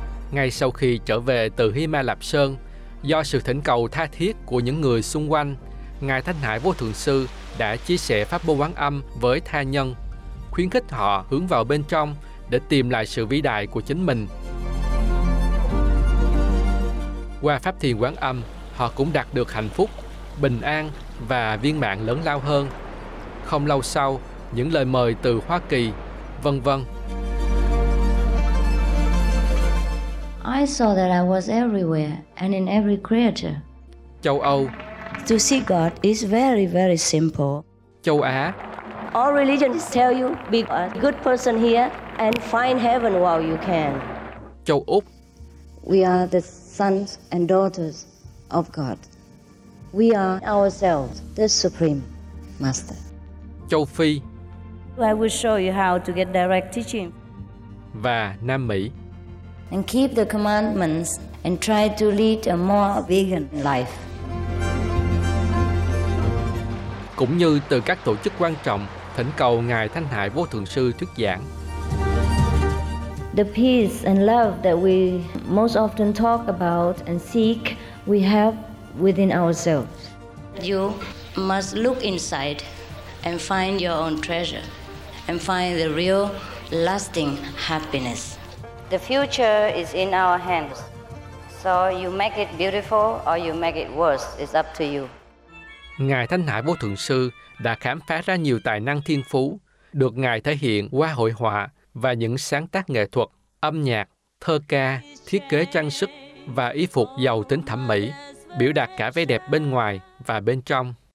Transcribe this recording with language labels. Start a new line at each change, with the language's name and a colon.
Vietnamese: Ngay sau khi trở về từ Himalap Sơn, do sự thỉnh cầu tha thiết của những người xung quanh, Ngài Thanh Hải Vô Thượng Sư đã chia sẻ pháp môn quán âm với tha nhân, khuyến khích họ hướng vào bên trong để tìm lại sự vĩ đại của chính mình. Qua pháp thiền quán âm, họ cũng đạt được hạnh phúc, bình an và viên mãn lớn lao hơn. Không lâu sau, những lời mời từ Hoa Kỳ, vân vân.
English: I saw that I was everywhere and in every creature.
Vietnamese: Châu Âu.
English: To see God is very, very simple.
Vietnamese: Châu Á.
English: All religions tell you be a good person here and find heaven while you can.
Vietnamese: Châu Úc.
English: We are the sons and daughters of God. We are ourselves the supreme master.
Vietnamese: Châu Phi.
English: I will show you how to get direct teaching.
Vietnamese: Và Nam Mỹ.
English: And keep the commandments and try to lead a more vegan life.
Vietnamese: Cũng như từ các tổ chức quan trọng thỉnh cầu Ngài Thanh Hải Vô Thượng Sư thuyết giảng.
English: The peace and love that we most often talk about and seek, we have within ourselves. You must look inside and find your own treasure and find the real lasting happiness. The future is in our hands. So you make it beautiful or you make it worse, it's up to you.
Vietnamese: Ngài Thanh Hải Vô Thượng Sư đã khám phá ra nhiều tài năng thiên phú, được Ngài thể hiện qua hội họa và những sáng tác nghệ thuật, âm nhạc, thơ ca, thiết kế trang sức và y phục giàu tính thẩm mỹ, biểu đạt cả vẻ đẹp bên ngoài và bên trong.